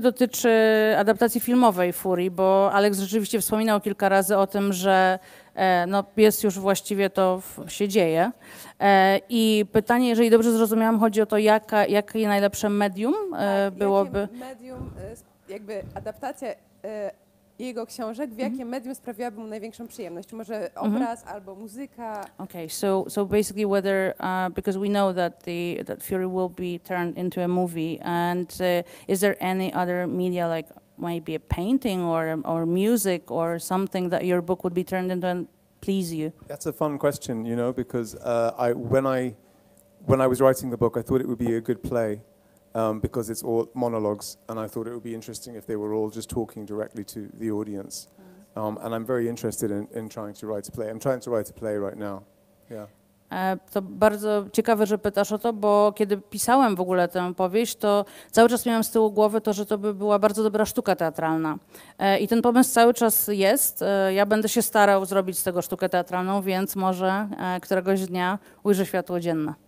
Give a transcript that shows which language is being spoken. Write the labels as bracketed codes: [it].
[pl] dotyczy adaptacji filmowej Fury, bo Alex rzeczywiście wspominał kilka razy o tym, że no jest już właściwie to się dzieje. I pytanie, jeżeli dobrze zrozumiałam, chodzi o to, jakie najlepsze medium byłoby. Jakie medium, jakby adaptacja jego książek, w jakim medium sprawiłaby mu największą przyjemność? Może obraz albo muzyka? [en] Okay, so basically whether, because we know that that Fury will be turned into a movie, and is there any other media, like maybe a painting or music or something that your book would be turned into and please you? That's a fun question, you know, because when I was writing the book, I thought it would be a good play. Because it's all monologues, and I thought it would be interesting if they were all just talking directly to the audience. And I'm very interested in trying to write a play. I'm trying to write a play right now. Yeah. [pl] To bardzo ciekawe, że pytasz o to, bo kiedy pisałem w ogóle tę powieść, to cały czas miałem z tyłu głowy to, że to by była bardzo dobra sztuka teatralna. I ten pomysł cały czas jest. Ja będę się starał zrobić z tego sztukę teatralną, więc może któregoś dnia ujrzę światło dzienne.